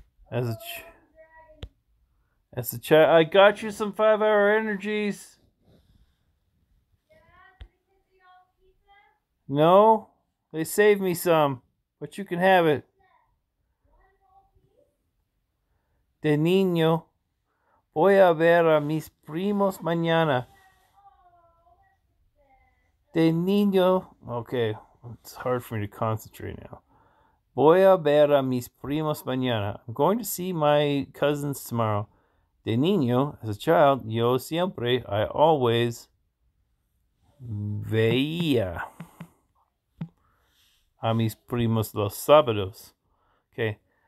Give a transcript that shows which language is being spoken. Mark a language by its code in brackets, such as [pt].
[en] As a chat, I got you some 5-hour energies. No, they saved me some, but you can have it. [es] De niño, voy a ver a mis primos mañana. [en] De niño, okay, it's hard for me to concentrate now. [es] Voy a ver a mis primos mañana. [en] I'm going to see my cousins tomorrow. [es] De niño, [en] as a child, [es] yo siempre, [en] I always [es] veía a mis primos los sábados. [en] Okay.